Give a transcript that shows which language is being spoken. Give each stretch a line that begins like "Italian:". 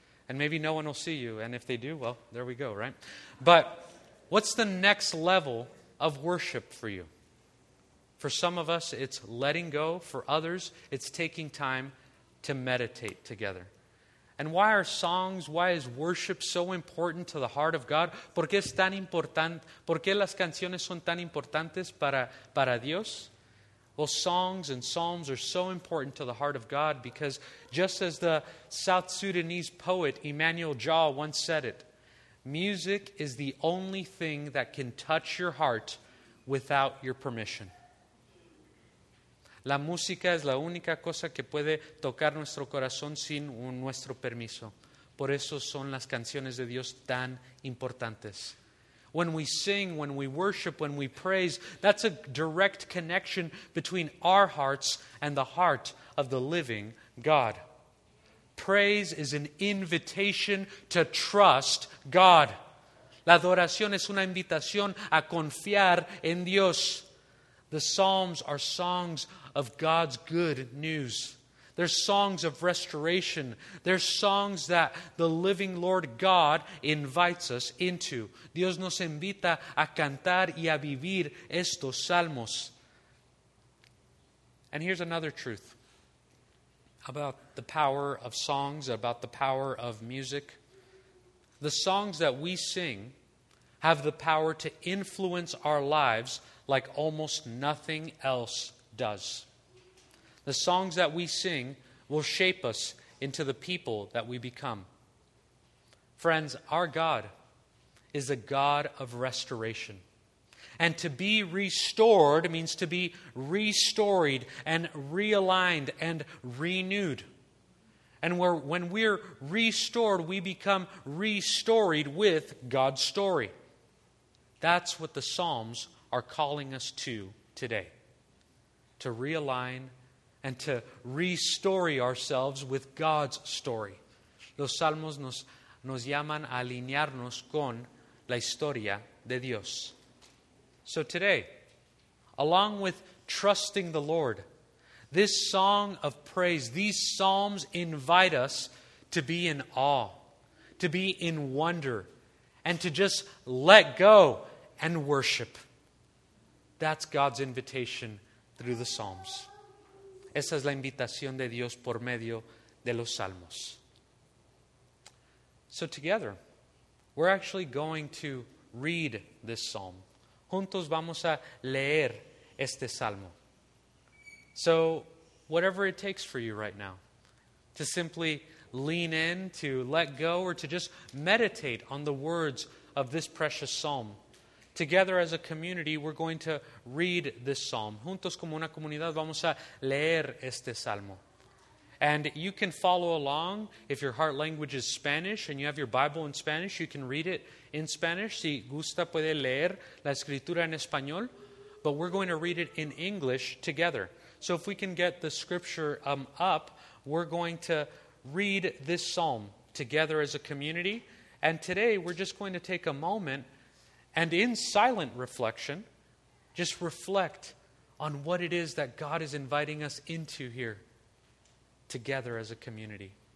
English: And maybe no one will see you. And if they do, well, there we go, right? But what's the next level of worship for you? For some of us, it's letting go. For others, it's taking time to meditate together. And why are songs, why is worship so important to the heart of God?
Spanish: ¿Por qué es tan importante? ¿Por qué las canciones son tan importantes para Dios?
English: Well, songs and psalms are so important to the heart of God because just as the South Sudanese poet Emmanuel Jah once said it, music is the only thing that can touch your heart without your permission.
Spanish: La música es la única cosa que puede tocar nuestro corazón sin nuestro permiso. Por eso son las canciones de Dios tan importantes.
English: When we sing, when we worship, when we praise, that's a direct connection between our hearts and the heart of the living God. Praise is an invitation to trust God.
Spanish: La adoración es una invitación a confiar en Dios.
English: The Psalms are songs of God's good news. There's songs of restoration. There's songs that the living Lord God invites us into.
Spanish: Dios nos invita a cantar y a vivir estos salmos.
English: And here's another truth about the power of songs, about the power of music. The songs that we sing have the power to influence our lives like almost nothing else does. The songs that we sing will shape us into the people that we become. Friends, our God is a God of restoration. And to be restored means to be restoried and realigned and renewed. And when we're restored, we become restoried with God's story. That's what the Psalms are calling us to today. To realign and to restory ourselves with God's story.
Spanish: Los Salmos nos llaman a alinearnos con la historia de Dios.
English: So today, along with trusting the Lord, this song of praise, these psalms invite us to be in awe, to be in wonder, and to just let go and worship. That's God's invitation through the Psalms.
Spanish: Esa es la invitación de Dios por medio de los salmos.
English: So together, we're actually going to read this psalm.
Spanish: Juntos vamos a leer este salmo.
English: So whatever it takes for you right now, to simply lean in, to let go, or to just meditate on the words of this precious psalm. Together as a community, we're going to read this psalm.
Spanish: Juntos como una comunidad vamos a leer este salmo.
English: And you can follow along if your heart language is Spanish and you have your Bible in Spanish. You can read it in Spanish.
Spanish: Si gusta puede leer la escritura en español.
English: But we're going to read it in English together. So if we can get the scripture up, we're going to read this psalm together as a community. And today we're just going to take a moment and in silent reflection, just reflect on what it is that God is inviting us into here together as a community.